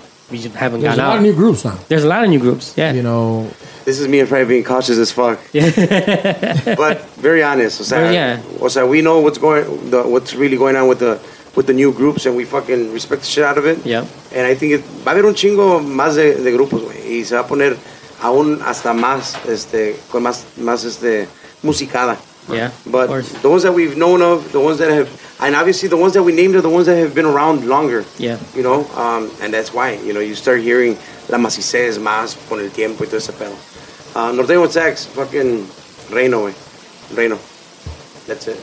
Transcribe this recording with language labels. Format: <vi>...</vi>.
<en>we just haven't gotten out. There's a lot of new groups now. There's a lot of new groups, yeah. You know. This is me and Fred being cautious as fuck. Yeah. But very honest. We know what's going, what's really going on with the new groups, and we fucking respect the shit out of it. Yeah. And I think it</en> <es>va a haber un chingo más de grupos, güey. Y se va a poner aún hasta más, con más, musicada.</es> <en>Yeah. But the ones that we've known of, the ones that have... and obviously the ones that we named are the ones that have been around longer. Yeah. You know, and that's why, you know, you start hearing La Macise es más con el tiempo y todo ese pedo. Norteño Sax, fucking Reino, wey. Reino. That's it.</en>